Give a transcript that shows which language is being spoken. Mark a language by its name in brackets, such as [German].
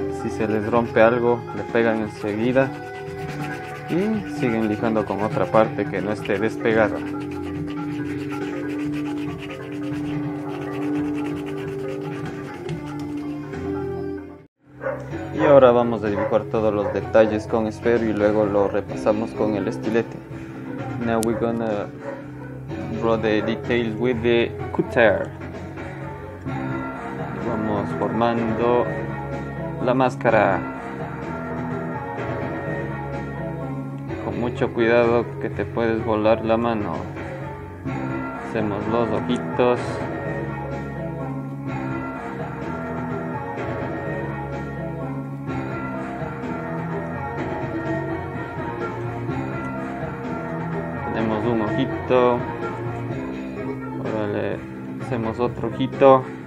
[Spanish] Se les rompe algo, le pegan enseguida y siguen lijando con otra parte que no esté despegada. Y ahora vamos a dibujar todos los detalles con esfero y luego lo repasamos con el estilete. [English] Now we're gonna draw the details with the cutter. [Spanish] Vamos formando la máscara con mucho cuidado, que te puedes volar la mano. Hacemos los ojitos, tenemos un ojito, órale, hacemos otro ojito.